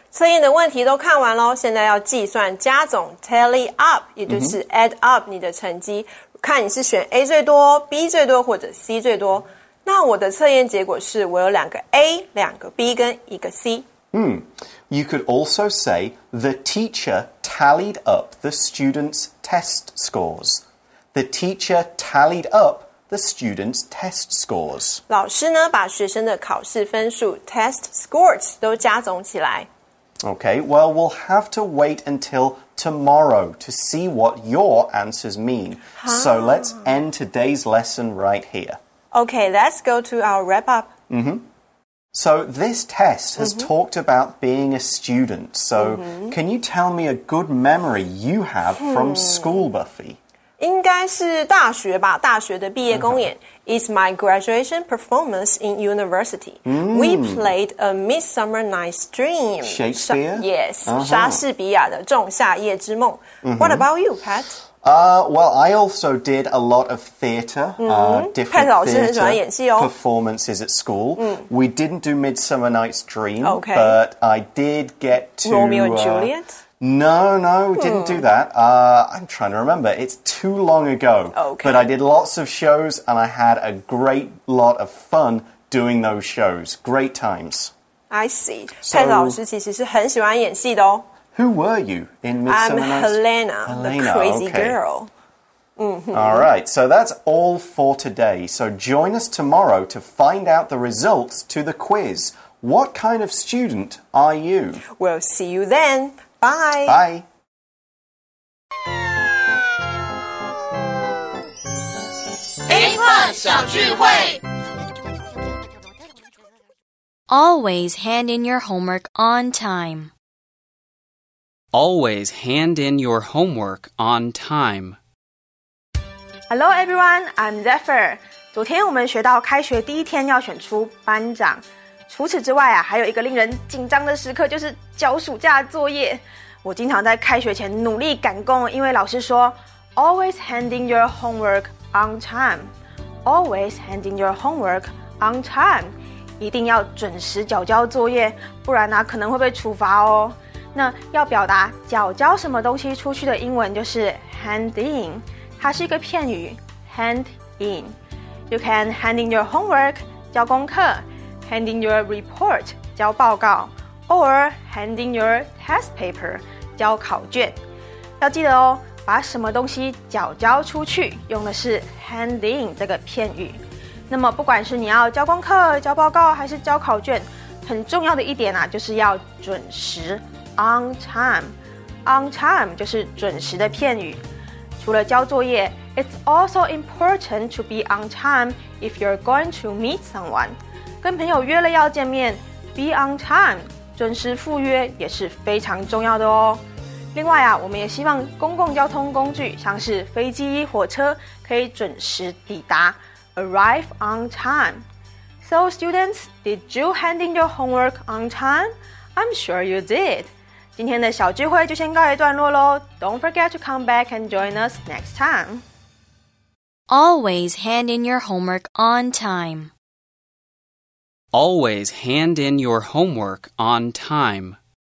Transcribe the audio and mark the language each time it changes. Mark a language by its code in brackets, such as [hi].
[zh] 测验的问题都看完了，现在要计算加总 tally up, 也就是 add up 你的成绩，看你是选 A 最多、B 最多或者 C 最多。那我的测验结果是我有两个 A, 两个 B 跟一个 C. [en] You could also say the teacher tallied up the students' test scores. The teacher tallied up the students' test scores. [zh] 老师呢把学生的考试分数 test scores 都加总起来。 [en] Okay, well, we'll have to wait until tomorrow to see what your answers mean. So let's end today's lesson right here. Okay, let's go to our wrap up. So this test has talked about being a student. So can you tell me a good memory you have from school, Buffy? [zh] 应该是大学吧，大学的毕业公演 [en] is my graduation performance in university. We played a Midsummer Night's Dream. Shakespeare? [zh] Yes, 莎士比亚的仲夏夜之梦。 [en] What about you, Pat? Well, I also did a lot of theatre, different theatre performances at school. We didn't do Midsummer Night's Dream, but I did get to... Romeo and Juliet? No, didn't do that. I'm trying to remember. It's too long ago. Okay. But I did lots of shows and I had a great lot of fun doing those shows. Great times. I see. [zh] So, 佩特老师其实是很喜欢演戏的哦。 [en] Who were you in Midsummer Night's Dream? I'm Helena, Helena, the crazy、 okay. girl. All right, so that's all for today. So join us tomorrow to find out the results to the quiz. What kind of student are you? We'll see you then. Bye. Bye. Always hand in your homework on time. Always hand in your homework on time. Hello everyone, I'm Zephyr. [zh] 昨天我们学到开学第一天要选出班长。除此之外啊，还有一个令人紧张的时刻，就是交暑假作业。我经常在开学前努力赶工，因为老师说 [en] always hand in your homework on time. Always handing your homework on time. [zh] 一定要准时缴交作业，不然啊，可能会被处罚哦。那要表达缴交什么东西出去的英文就是 hand in. 它是一个片语 hand in. [en] You can hand in your homework, [zh] 交功课 [en] hand in your report, [zh] 交报告 [en] or hand in your test paper, [zh] 交考卷。要记得哦，把什么东西缴交出去用的是 hand in 这个片语。那么不管是你要交功课、交报告还是交考卷，很重要的一点啊，就是要准时 on time。 on time 就是准时的片语。除了交作业， [en] It's also important to be on time if you're going to meet someone。 [zh] 跟朋友约了要见面， be on time 准时赴约也是非常重要的哦。另外啊，我们也希望公共交通工具像是飞机、火车可以准时抵达 arrive on time. [en] So students, did you hand in your homework on time? I'm sure you did. [zh] 今天的小聚会就先告一段落咯。 [en] Don't forget to come back and join us next time. Always hand in your homework on time. Always hand in your homework on time.